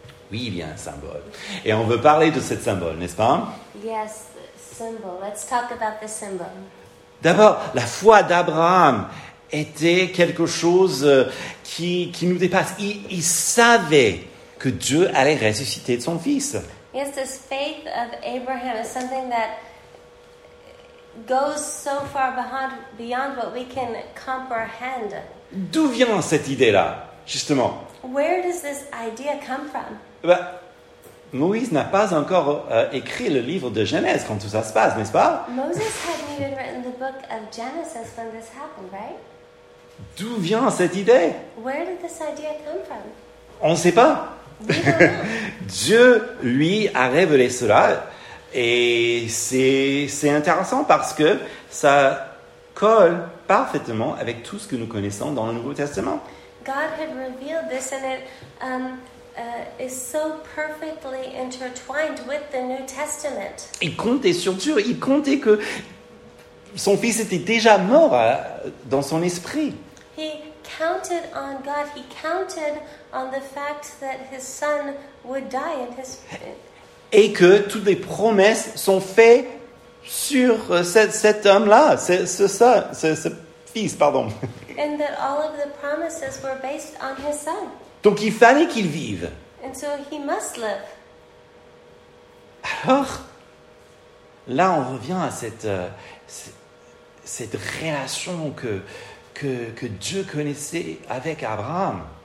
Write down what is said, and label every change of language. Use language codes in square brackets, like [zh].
[fr] Oui, il y a un symbole. Et on veut parler de ce symbole, n'est-ce pas? [en] Yes, symbol. Let's talk about the symbol. [fr] D'abord, la foi d'Abraham était quelque chose qui nous dépasse. Il savait que Dieu allait ressusciter son fils. [en] Yes, this faith of Abraham is something that goes so far beyond what we can comprehend. [fr] D'où vient cette idée-là, justement? [en] Where does this idea come from? [fr] Ben, Moïse n'a pas encore écrit le livre de Genèse quand tout ça se passe, n'est-ce pas? [en] Moses hadn't even written the book of Genesis when this happened, right? [fr] D'où vient cette idée? [en] Where did this idea come from? [fr] On ne sait pas. Dieu lui a révélé cela. Et c'est intéressant parce que ça colle parfaitement avec tout ce que nous connaissons dans le Nouveau Testament. [en] God had revealed this and it is so perfectly intertwined with the New Testament. [fr] Il comptait sur Dieu, il comptait que son fils était déjà mort dans son esprit. [en] He counted on God. He counted on the fact that his son would die in his. [fr] Et que toutes les promesses sont faites sur cet homme-là, ce fils, pardon. [en] And that all of the promises were based on his son. [fr] Donc il fallait qu'il vive. [en] And so he must live. [fr] Alors, là, on revient à cette relation que Dieu connaissait avec Abraham.